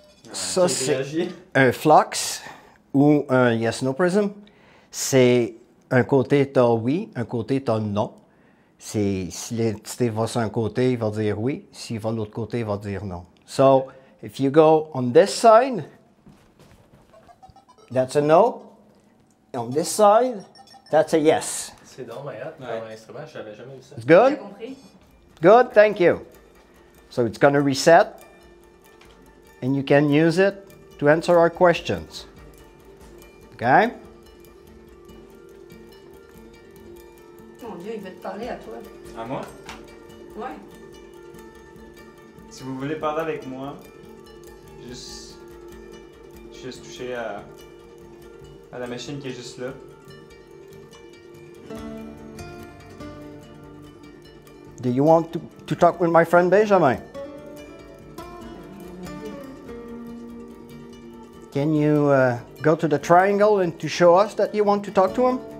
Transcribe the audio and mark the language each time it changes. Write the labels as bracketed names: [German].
[French] Ça, c'est un flux ou un yes-no prism. C'est un côté t'as oui, un côté t'as non. Si l'entité va sur un côté, il va dire oui. S'il va de l'autre côté, il va dire non. [English] So, if you go on this side, that's a no. On this side, that's a yes. [French] C'est dans ma hâte, dans l'instrument, je n'avais jamais vu ça. [English] It's good? Good, thank you. So it's going to reset. And you can use it to answer our questions. Okay? [French] Il veut te parler à toi. À moi? Ouais. Si vous voulez parler avec moi, juste toucher à la machine qui est juste là. [English] Do you want to talk with my friend Benjamin? Can you go to the triangle and to show us that you want to talk to him?